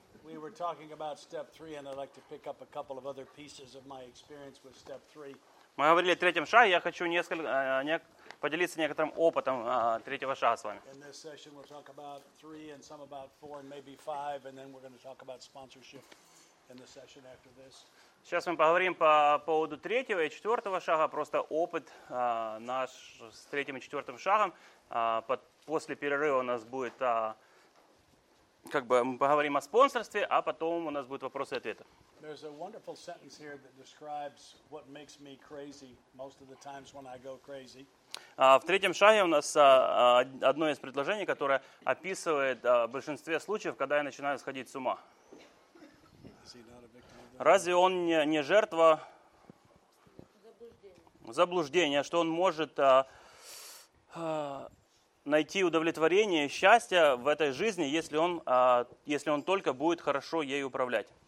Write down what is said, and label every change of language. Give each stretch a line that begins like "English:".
English: We were talking about step three, and I'd like to pick up a couple of other pieces of my experience with step three.
Russian: Мы говорили о третьем шаге, я хочу поделиться некоторым опытом третьего шага с вами.
English: In this session we'll talk about three and some about four and maybe five, and then we're going to talk about sponsorship in the session after this.
Russian: Сейчас мы поговорим по поводу третьего и четвертого шага, просто опыт наш с третьим и четвертым шагом. После перерыва у нас будет, мы поговорим о спонсорстве, а потом у нас будут вопросы и ответы.
English: There's a wonderful sentence here that describes what makes me crazy most of the times when I go crazy.
Russian: В третьем шаге у нас одно из предложений, которое описывает в большинстве случаев, когда я начинаю сходить с ума. Разве он не жертва заблуждения, что он может найти удовлетворение, счастье в этой жизни, если он только будет хорошо ей управлять?